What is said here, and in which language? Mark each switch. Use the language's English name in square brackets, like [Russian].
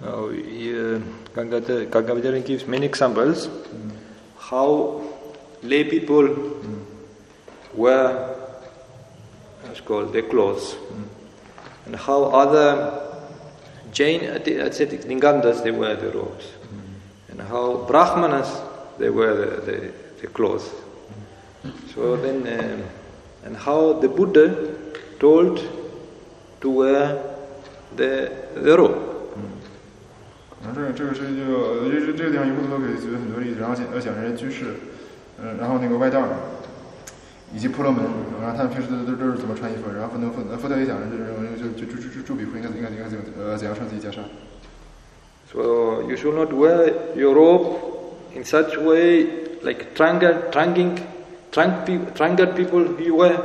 [English] Gangadharan gives many examples how lay people wear, what's called, their clothes, and how other Jain ascetic Ningandas they wear their robes, and how Brahmanas they wear the clothes. And how the Buddha told to wear the robe. [Chinese] 这个地方一共都给举了很多例子，然后讲人居士，然后那个外道，以及婆罗门，然后他们平时都是怎么穿衣服，然后佛陀也讲人就比丘应该怎样穿自己袈裟。 [English] So you should not wear your robe in such way like drunkard people be wear.